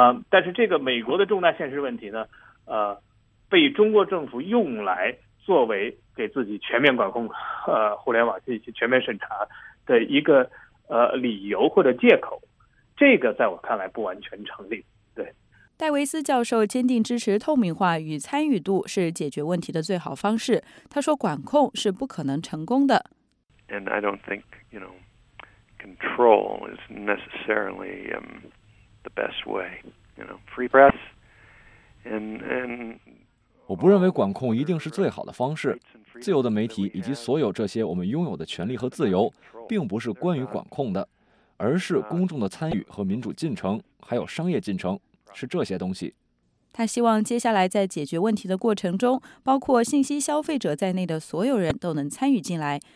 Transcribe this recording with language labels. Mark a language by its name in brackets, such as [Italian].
[Chinese] 但是这个美国的重大现实问题呢被中国政府用来作为给自己全面管控互联网信息全面审查的一个理由或者借口，这个在我看来不完全成立。戴维斯教授坚定支持透明化与参与度是解决问题的最好方式。他说，管控是不可能成功的。 [English] And I don't think, you know, control is necessarily the best way. You know, free press, [Chinese] 我不认为管控一定是最好的方式。自由的媒体以及所有这些我们拥有的权利和自由，并不是关于管控的，而是公众的参与和民主进程，还有商业进程，是这些东西。他希望接下来在解决问题的过程中，包括信息消费者在内的所有人都能参与进来。